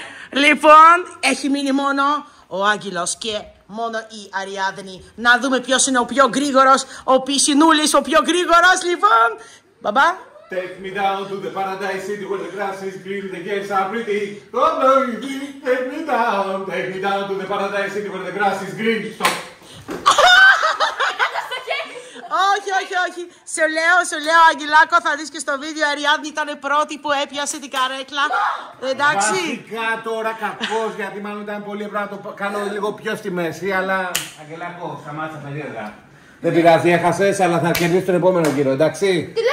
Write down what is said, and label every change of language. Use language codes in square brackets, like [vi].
[el] Λοιπόν, έχει μείνει μόνο ο Άγγελος και μόνο η Αριάδνη. Να δούμε ποιος είναι ο πιο γρήγορος, ο Πισινούλης, ο πιο γρήγορος, λοιπόν. Μπαμπά. [en] Take me down to the paradise city where the grass is green, the girls are pretty. Oh, no, take me down to the paradise city where the grass is green. Stop. [el] Όχι. Σου λέω, Αγγελάκο, θα δεις και στο βίντεο, η Αριάδνη ήταν πρώτη που έπιασε την καρέκλα. Εντάξει. Βασικά τώρα κακός, γιατί μάλλον ήταν πολύ ευρώ να το κάνω λίγο πιο στη μέση, αλλά... Αγγελάκο, σταμάτησα περίεργα. Δεν πειράζει, έχασες, αλλά θα κερδίσεις τον επόμενο γύρο, εντάξει.